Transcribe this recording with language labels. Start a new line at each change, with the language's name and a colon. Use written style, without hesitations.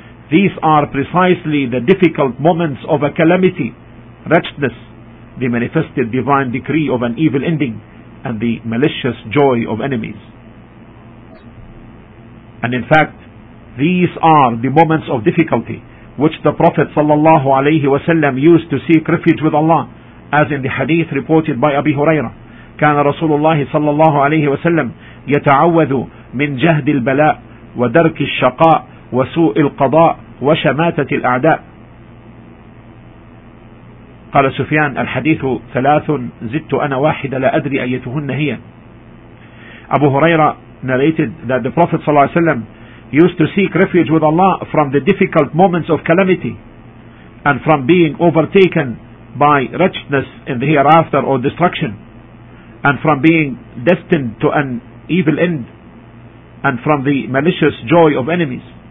English: These are precisely the difficult moments of a calamity, wretchedness, the manifested divine decree of an evil ending, and the malicious joy of enemies. And in fact, these are the moments of difficulty which the Prophet sallallahu alayhi wasallam used to seek refuge with Allah, as in the hadith reported by Abi Huraira.
Arabic: كان رسول الله صلى الله عليه وسلم يتعوذ من جهد البلاء ودرك الشقاء وسوء القضاء وشماتة الأعداء. قال سفيان الحديث ثلاث زدت أنا واحدة لا أدري أيتهن هي.
English: أبو هريرة narrated that the Prophet
Arabic: صلى الله عليه وسلم
English: used to seek refuge with Allah from the difficult moments of calamity and from being overtaken by wretchedness in the hereafter or destruction, and from being destined to an evil end, and from the malicious joy of enemies.